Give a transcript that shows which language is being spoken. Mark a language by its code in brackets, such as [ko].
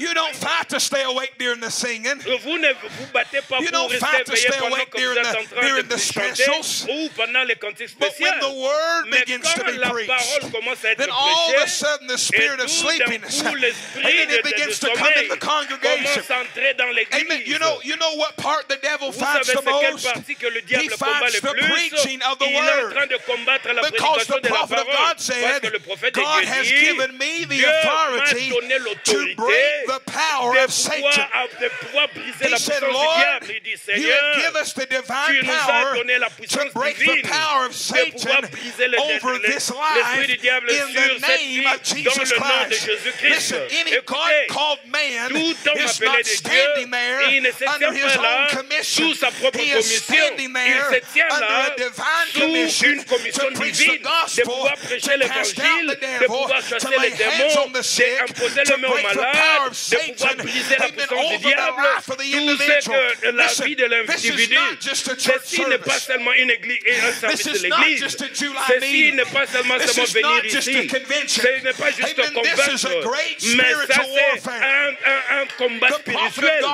[en] You don't fight to stay awake during the singing. [fr] Vous ne vous battez pas pour rester éveillé pendant que vous êtes en train de chanter ou pendant les cantiques spéciales. [en] But when the word begins to be preached, then all of a sudden the spirit of sleepiness, and then it begins to come in the congregation. Amen. You know what part the devil fights the most? He fights the preaching of the word. Because the prophet of God said, God has given me the authority to break the power of Satan. He said, Lord, you have given us the divine power to break the power of Satan over this life in the name of Jesus Christ. Listen, any God called man is not standing there under his own commission. He is standing there under a divine commission to preach the gospel, [fr] de prêcher l'évangile, de pouvoir chasser les démons, d'imposer le main aux malades, de pouvoir briser la puissance du diable. Tout ce que la vie de l'individu, ceci n'est pas seulement une église et un service de l'église. Ceci n'est pas seulement venir ici. Ce n'est pas juste convaincre, mais ça c'est un combat spirituel.